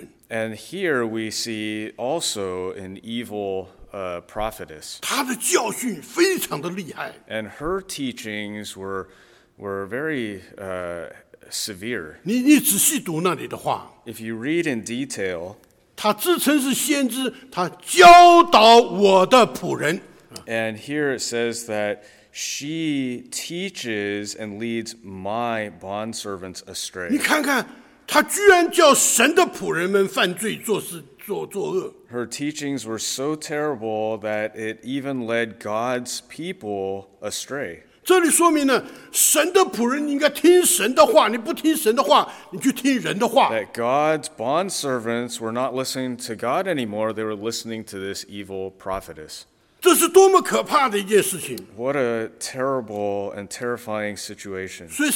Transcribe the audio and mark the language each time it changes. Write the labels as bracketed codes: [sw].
[en] And here we see also an evil prophetess. And her teachings were very severe. [zh] 你仔细读那里的话, [en] if you read in detail, [zh] 他自称是先知, 他教导我的仆人, [en] and here it says that she teaches and leads my bondservants astray. [zh] 你看看, 他居然叫神的仆人们犯罪做恶。 [en] Her teachings were so terrible that it even led God's people astray. [zh] 这里说明呢,神的仆人应该听神的话,你不听神的话,你去听人的话。 [en] That God's bondservants were not listening to God anymore, they were listening to this evil prophetess. [zh] 这是多么可怕的一件事情。 [en] What a terrible and terrifying situation.